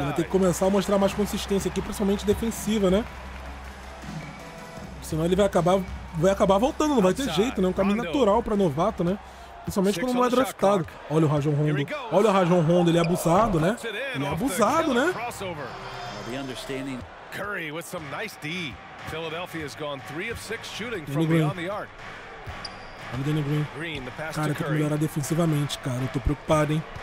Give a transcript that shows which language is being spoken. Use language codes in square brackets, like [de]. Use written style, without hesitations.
[pt] Ele vai ter que começar a mostrar mais consistência aqui, principalmente defensiva, né? Senão ele vai acabar voltando, não vai ter jeito, né? Um caminho natural pra novato, né? Principalmente quando não é draftado. Olha o Rajon Rondo. Olha o Rajon Rondo, ele é abusado, né? Ele é abusado, né? [en] Curry with some nice D. Philadelphia's gone 3 of 6 shooting from beyond the arc. [pt] Olha o Danny Green. Cara, tem que melhorar defensivamente, cara. Eu tô preocupado, hein?